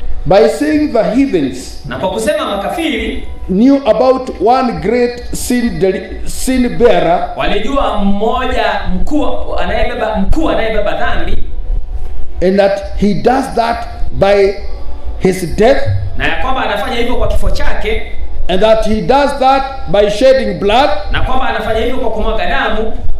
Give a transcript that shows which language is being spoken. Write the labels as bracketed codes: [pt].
[en] by saying the heathens, [sw] na kwa kusema makafiri, [en] knew about one great sin bearer. [sw] Walijua mmoja mkuu anayebeba dhambi. [en] And that he does that by his death. [sw] Na ya kwamba anafanya hivyo kwa kifo chake. [en] And that he does that by shedding blood. [sw] Na kwamba anafanya hivyo kwa kumwaga damu.